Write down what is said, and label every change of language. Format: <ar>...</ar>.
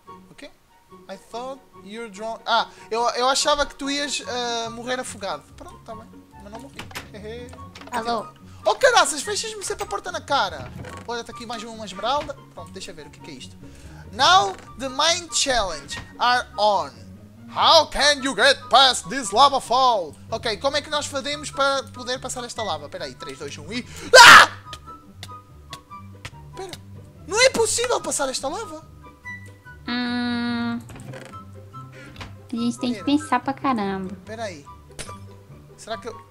<pt>Ok?</pt> <en>I thought you're drawn...</en> <pt>Ah, eu achava que tu ias morrer afogado. Pronto, tá bem. Mas não morri. Alô? Oh, caraças, fechas-me sempre a porta na cara. Olha, está aqui mais uma esmeralda. Pronto, deixa ver o que é isto.</pt> <en>Now the main challenge are on. How can you get past this lava fall?</en> <pt>Ok, como é que nós fazemos para poder passar esta lava? Espera aí, 3, 2, 1 e... Ah! Espera. Não é possível passar esta lava? A gente tem que pensar para caramba. Espera aí. Será que eu...</pt>